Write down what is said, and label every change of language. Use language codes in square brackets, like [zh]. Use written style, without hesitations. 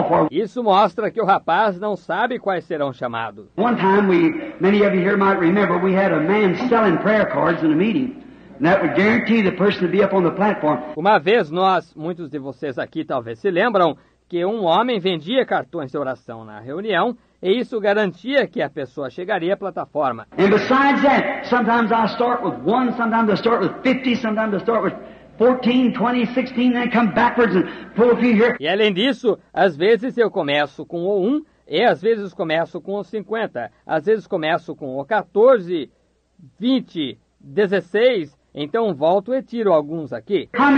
[pt] Isso mostra que o rapaz não sabe quais serão chamados. [en] One time we, many of you here might remember, we had a man selling prayer cards in a meeting. That would guarantee the person to be up on the platform. [pt] Uma vez nós, muitos de vocês aqui talvez se lembram, que um homem vendia cartões de oração na reunião, e isso garantia que a pessoa chegaria à plataforma. [en] And besides that, sometimes I start with one, sometimes I start with 50, sometimes I start with 14, 20, 16, and I come backwards and pull a few here. [pt] E além disso, às vezes eu começo com o 1, e às vezes começo com o 50, às vezes começo com o 14, 20, 16, então volto e tiro alguns aqui.